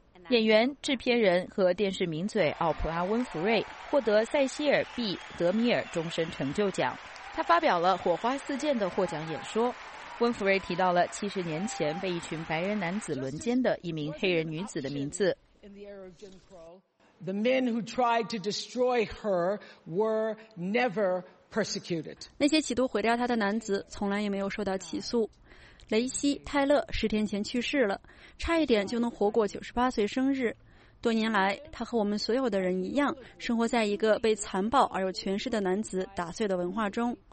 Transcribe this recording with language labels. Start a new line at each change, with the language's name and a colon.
Chinese: 演员、制片人和电视名嘴奥普拉·温弗瑞获得塞西尔·B. 德米尔终身成就奖，他发表了火花四溅的获奖演说。温弗瑞提到了70年前被一群白人男子轮奸的一名黑人女子的名字。
English: The men who tried to destroy her were never persecuted.
Chinese: 那些企图毁掉她的男子从来也没有受到起诉。雷西·泰勒10天前去世了，差一点就能活过98岁生日。多年来，他和我们所有的人一样，生活在一个被残暴而又权势的男子打碎的文化中。